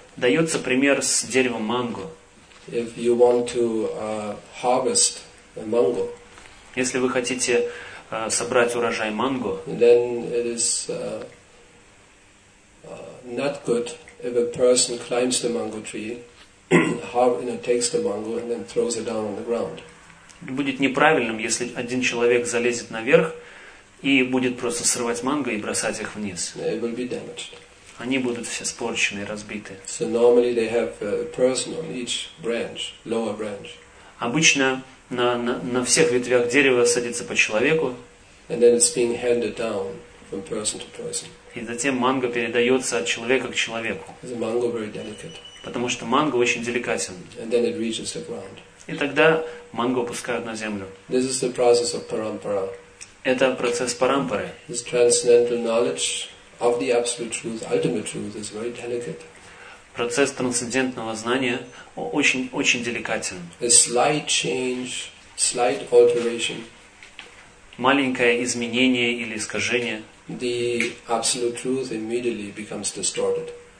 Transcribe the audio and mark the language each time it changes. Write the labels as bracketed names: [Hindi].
[Russian] Дается пример с деревом манго. [English] If you want to harvest a mango, [Russian] если вы хотите собрать урожай манго, [English] then it is not good if a person climbs the mango tree. takes the mango and then throws it down on the ground. [Russian] Будет неправильным, если один человек залезет наверх и будет просто срывать манго и бросать их вниз. [English] They will be damaged. [Russian] Они будут все испорчены и разбиты. [English] So normally they have a person on each branch, lower branch. [Russian] Обычно на всех ветвях дерева садится по человеку. [English] And then it's being handed down from person to person. [Russian] И затем манго передается от человека к человеку. [English] The mango is very delicate. [Russian] Потому что манго очень деликатен. [English] And then it reaches the ground. [Russian] И тогда манго опускают на землю. [English] This is the process of parampara. [Russian] Это процесс парампары. [English] This transcendental knowledge of the absolute truth, ultimate truth, is very delicate. [Russian] Процесс трансцендентного знания очень очень деликатен. [English] A slight change, slight alteration. [Russian] Маленькое изменение или искажение. [English] The absolute truth immediately becomes distorted.